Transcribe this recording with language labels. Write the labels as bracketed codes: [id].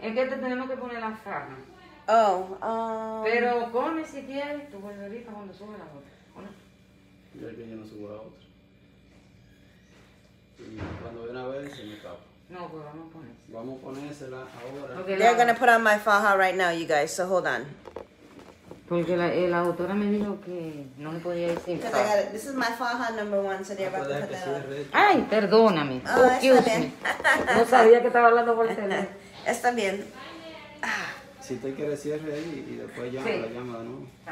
[es] Es que te tenemos que poner la sábana. Oh, pero come si quieres tu guarderita cuando sube la otra. Bueno. Yo aquí ya no subo la otra. Y cuando viene a ver, se me escapa. No, pues vamos a poner. Vamos a ponérsela ahora. [en] Okay, they're going to put on my faja right now, you guys. So hold on. [es] Porque la doctora me dijo que no le podía decir. [en] This is my faja number one, so they're about to put that on. Ay, perdóname. Oh, excuse me. [es] No sabía que estaba hablando por teléfono. Está bien. Si usted quiere cierre ahí y después llama, sí. La llama, ¿no?